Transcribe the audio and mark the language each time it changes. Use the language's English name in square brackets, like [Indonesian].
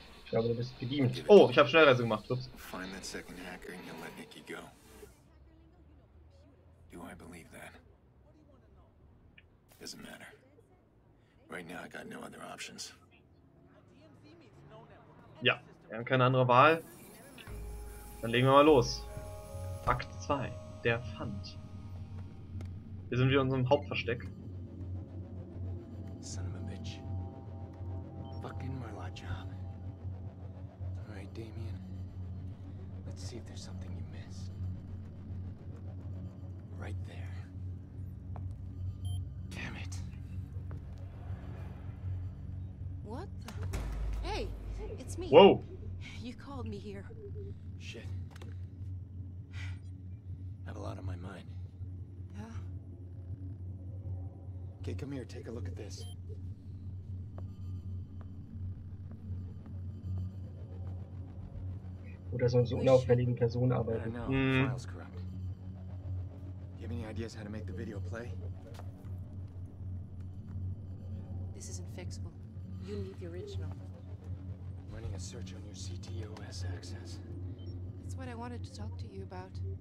[German] Ich glaube, du bist gedient. Oh, ich habe Schnellreise gemacht. Ups. [English] Find that second hacker and you'll let Niki go. Do I believe that? Doesn't matter. Right now I got no other options. [German] Ja, wir haben keine andere Wahl. Dann legen wir mal los. Akt 2. Der Pfand. Hier sind wir in unserem Hauptversteck. [English] Son of a bitch. Fucking Murlock job. Alright, Damien. Let's see if there's something you missed. Right there. Damn it. What the? Hey, it's me. Whoa. You called. put me here. Shit. I have a lot on my mind. Yeah? Okay, come here, take a look at this. [German] Oder so einer unauffälligen Person arbeiten. [English] I know. Files corrupt. Do you have any ideas how to make the video play? This isn't fixable. You need the original. Running a search on your CTOS access. That's what I wanted to talk to you about.